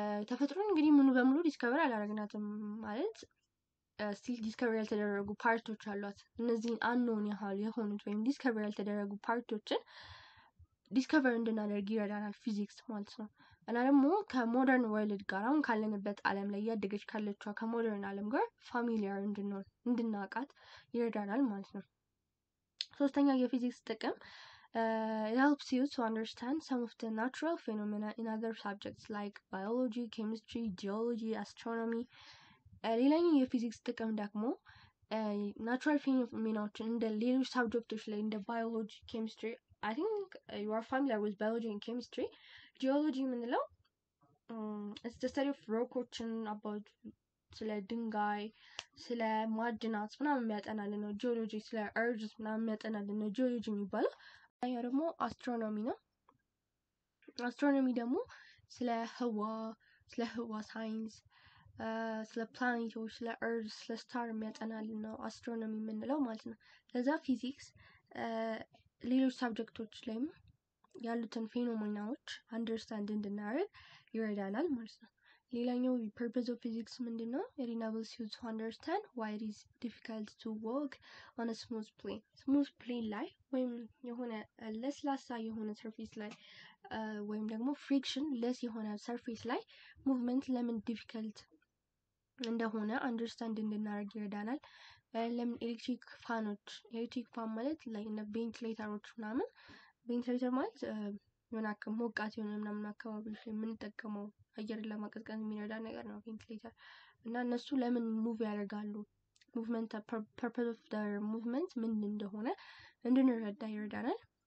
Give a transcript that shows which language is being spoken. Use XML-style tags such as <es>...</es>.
<am>ተፈጥሮን እንግዲህ ምኑ በሙሉ ዲስከቨር አላረግናትም ማለት ስቲል ዲስከቨር ያልተደረጉ ፓርቶች አሏት። እነዚህን አንኖን ያህል የሆኑት ወይም ዲስከቨር ያልተደረጉ ፓርቶችን ዲስከቨር እንድናደርግ ይረዳናል ፊዚክስ ማለት ነው። እና ደግሞ ከሞደርን ወርልድ ጋር አሁን ካለንበት ዓለም ላይ እያደገች ካለችዋ ከሞደርን ዓለም ጋር ፋሚሊያር እንድንሆን እንድናውቃት ይረዳናል ማለት ነው። ሶስተኛው የፊዚክስ ጥቅም</am> <en>it helps you to understand some of the natural phenomena in other subjects like biology, chemistry, geology, astronomy.</en> <am>ሌላኛው የፊዚክስ ጥቅም ደግሞ natural phenomenaዎችን እንደ ሌሎች ሳብጀክቶች ላይ እንደ biology, chemistry,</am> <en>I think you are familiar with biology and chemistry. Geology</en> <am>ምንለው</am> <en>it's the study of rocks and about</en> <am>ስለ ድንጋይ ስለ ማድናት ምናምን ያጠናልን ነው ጂኦሎጂ ስለ አርዝ ምናምን ያጠናልን ነው ጂኦሎጂ የሚባለው አያ ደግሞ አስትሮኖሚ ነው አስትሮኖሚ ደግሞ ስለ ህዋ ሳይንስ ስለ ፕላኔቶች ስለ አርዝ ስለ ስታር የሚያጠናልን ነው አስትሮኖሚ የምንለው ማለት ነው ለዛ ፊዚክስ ሌሎች ሳብጀክቶች ላይም ያሉትን ፌኖሜናዎች አንደርስታንድ እንድናደርግ ይረዳናል ማለት ነው ሌላኛው ፐርፐዝ ኦፍ ፊዚክስ ምንድን ነው?</am> <en>It enables you to understand why it is difficult to walk on a smooth plane.</en> <am>Smooth plane ላይ ወይም የሆነ ለስላሳ የሆነ ሰርፌስ ላይ ወይም ደግሞ friction less የሆነ ሰርፌስ ላይ movement ለምን difficult እንደሆነ understand እንድናደርግ ይረዳናል። ለምን ኤሌክትሪክ ፋኖች ኤሌክትሪክ ፋን ማለት ላይ እና ቬንትሌተሮች ምናምን ቬንትሌተር ማለት የሆነ ሞቃት የሆነ ምናምን አካባቢ የምንጠቀመው አየር ለማቀዝቀዝ የሚረዳ ነገር ነው ቬንትሌተር እና እነሱ ለምን ሙቭ ያደርጋሉ ሙቭመንት ፐርፐዝ ኦፍ ዘር ሙቭመንት ምን እንደሆነ እንድንረዳ ይረዳናል</am>